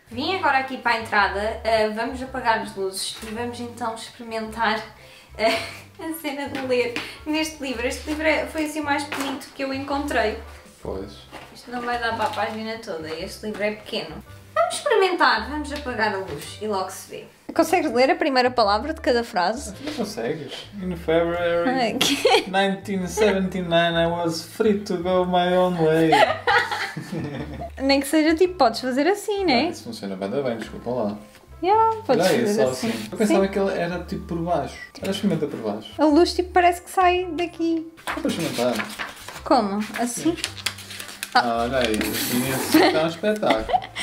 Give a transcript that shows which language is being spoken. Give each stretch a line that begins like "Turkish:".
Portuguese: Vim agora aqui para a entrada, vamos apagar as luzes e vamos então experimentar a cena de ler neste livro. Este livro foi assim o mais bonito que eu encontrei. Pois. Isto não vai dar para a página toda, este livro é pequeno. Vamos experimentar, vamos apagar a luz e logo se vê. Consegues ler a primeira palavra de cada frase? Não consegues.
English: In February 1979 I was free to go my own way.
Portuguese: Nem que seja tipo, podes fazer assim, né? Isso funciona bem, desculpa lá. Podes fazer isso, assim. Eu pensava que ele era tipo por baixo. Tipo, era experimenta por baixo. A luz tipo parece que sai daqui. Vou experimentar. Como? Assim? Olha aí, assim está é um espetáculo.